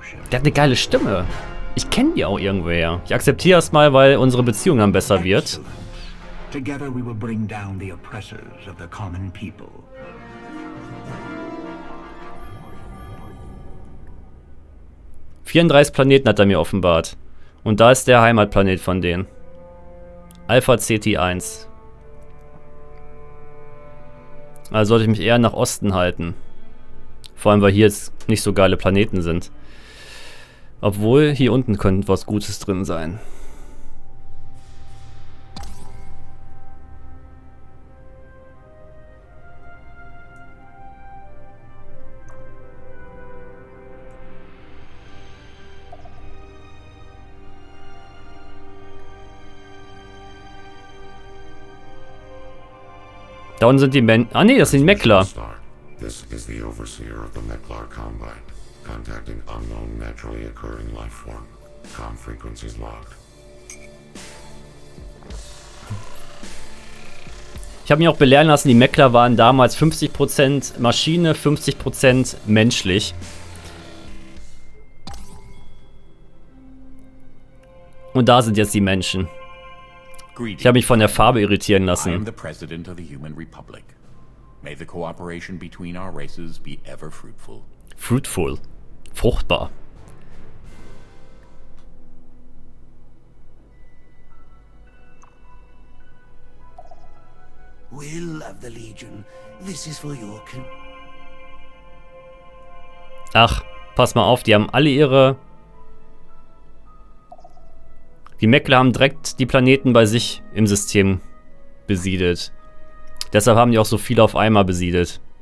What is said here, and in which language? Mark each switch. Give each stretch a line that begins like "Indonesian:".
German: Der hat eine geile Stimme. Ich kenne die auch irgendwer. Ich akzeptiere es mal, weil unsere Beziehung dann besser wird.
English: Together we will bring down the oppressors of the common people.
German: Vierunddreißig Planeten hat er mir offenbart. Und da ist der Heimatplanet von denen. Alpha CT 1. Also sollte ich mich eher nach Osten halten. Vor allem, weil hier jetzt nicht so geile Planeten sind. Obwohl, hier unten könnte was Gutes drin sein. Da unten sind die Men... Ah, nee, das sind die Meklar.
English: This is the overseer of the Meklar Combine, contacting unknown naturally occurring life form. Com frequencies locked.
German: Ich habe mich auch belehren lassen, die Meklar waren damals 50% Maschine, 50% menschlich. Und da sind jetzt die Menschen. Ich habe mich von der Farbe irritieren lassen.
English: I am the president of the human republic. May the cooperation between our races be ever fruitful.
German: Fruitful. Fruchtbar.
English: Will of the Legion, this is for your con-
German: Ach, pass mal auf, die haben alle ihre... Die Meckler haben direkt die Planeten bei sich im System besiedelt. Deshalb haben die auch so viele auf einmal besiedelt.